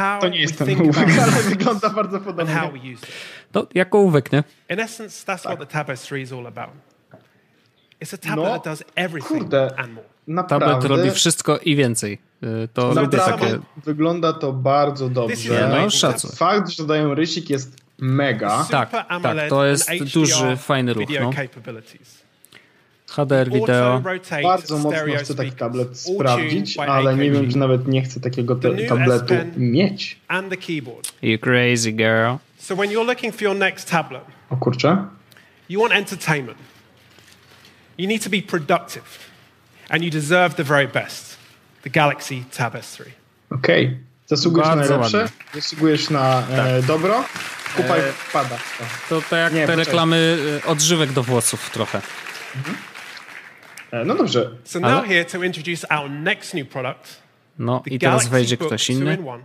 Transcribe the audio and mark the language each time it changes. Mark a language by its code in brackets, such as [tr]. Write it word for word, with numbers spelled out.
[pl] To nie jest ten ołówek, ale wygląda bardzo podobnie. No, jak ołówek, nie? [en] In essence, that's what the Tapestry is all about. It's a tablet that does everything and more. [pl] Naprawdę. Tablet robi wszystko i więcej. To lubię takie... Wygląda to bardzo dobrze. No, szacunek. Fakt, że dają rysik, jest mega. Tak, tak, to jest duży, fajny ruch. No. H D R wideo. Bardzo mocno chcę taki tablet sprawdzić, ale nie wiem, czy nawet nie chcę takiego te- tabletu mieć. [en] You crazy girl. So when you're looking for your next tablet, [pl] o kurczę. [en] You want entertainment. You need to be productive. And you deserve the very best. The Galaxy Tab S three. [pl] Okej. Okay. Zasługujesz na najlepsze. Zasługujesz na tak. e, dobro. Kupaj, e, pada. To, to, to jak nie, te poczekaj. Reklamy odżywek do włosów trochę. Mhm. E, no dobrze. [en] So now here to introduce our next new product. [pl] No i teraz wejdzie ktoś inny.